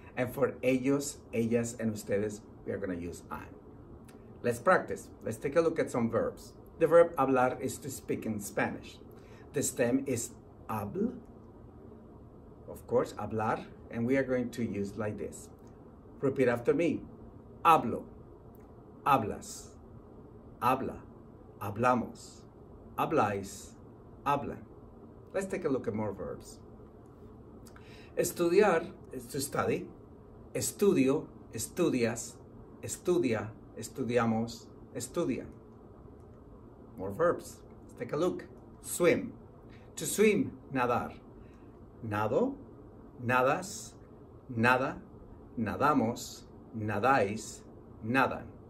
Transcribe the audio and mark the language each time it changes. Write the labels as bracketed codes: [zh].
[en] And for ellos, ellas, and ustedes, we are going to use an. Let's practice. Let's take a look at some verbs. The verb hablar is to speak in Spanish. The stem is habl, of course, hablar, and we are going to use like this. Repeat after me. [es] Hablo, hablas, habla, hablamos, habláis, hablan. [en] Let's take a look at more verbs. Estudiar is to study. [es] Estudio, estudias, estudia, estudiamos, estudia. [en] More verbs. Let's take a look. Swim. To swim, [es] nadar. Nado, nadas, nada, nadamos, nadáis, nadan.